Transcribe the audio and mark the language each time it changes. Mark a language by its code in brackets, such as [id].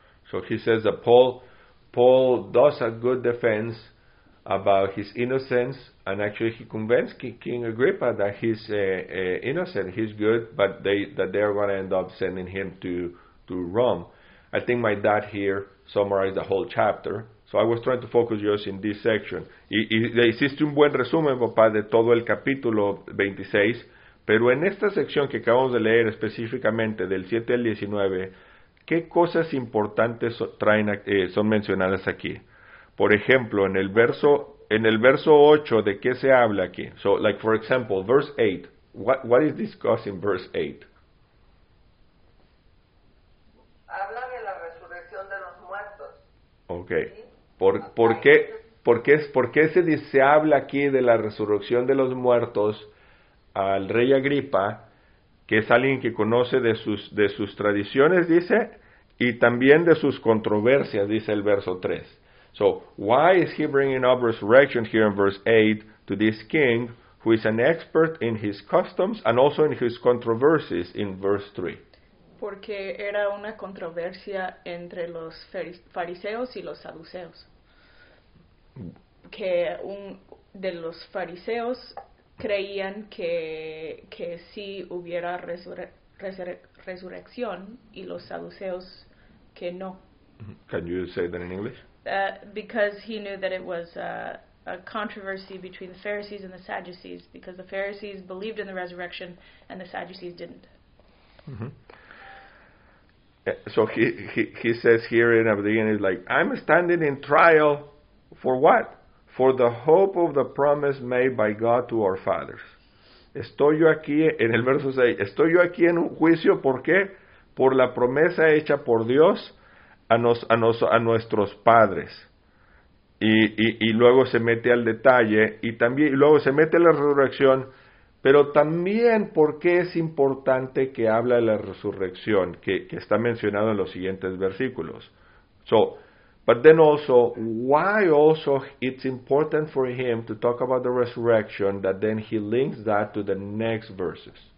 [en] So he says that Paul does a good defense about his innocence, and actually he convinced King Agrippa that he's innocent, he's good, but they're going to end up sending him to Rome. I think my dad here summarized the whole chapter, so I was trying to focus just in this section. [es] Existe un buen resumen, papá, de todo el capítulo 26, pero en esta sección que acabamos de leer específicamente del 7 al 19, ¿qué cosas importantes son mencionadas aquí? Por ejemplo, en el verso 8, ¿de qué se habla aquí? [en] So, like, for example, verse 8. What is discussed in verse 8? [es] Habla de la resurrección de los muertos. [en] Okay. [es] ¿Por qué se habla aquí de la resurrección de los muertos al rey Agripa, que es alguien que conoce de sus tradiciones, dice? Y también de sus controversias, dice el verso 3. [en] So, why is he bringing up resurrection here in verse 8 to this king, who is an expert in his customs and also in his controversies in verse 3? [es] Porque era una controversia entre los fariseos y los saduceos. Que un de los fariseos creían que sí hubiera resurrección y los saduceos que no. [en] Can you say that in English? Because he knew that it was a controversy between the Pharisees and the Sadducees, because the Pharisees believed in the resurrection and the Sadducees didn't. Mm-hmm. So he says here in the beginning, he's like, I'm standing in trial for what? For the hope of the promise made by God to our fathers. [es] Estoy yo aquí, en el verso 6, estoy yo aquí en un juicio, ¿por qué? Por la promesa hecha por Dios a nuestros padres. Y luego se mete al detalle, y luego se mete a la resurrección, pero también por qué es importante que habla de la resurrección, que está mencionado en los siguientes versículos. [en] So, but then also, why also it's important for him to talk about the resurrection, that then he links that to the next verses.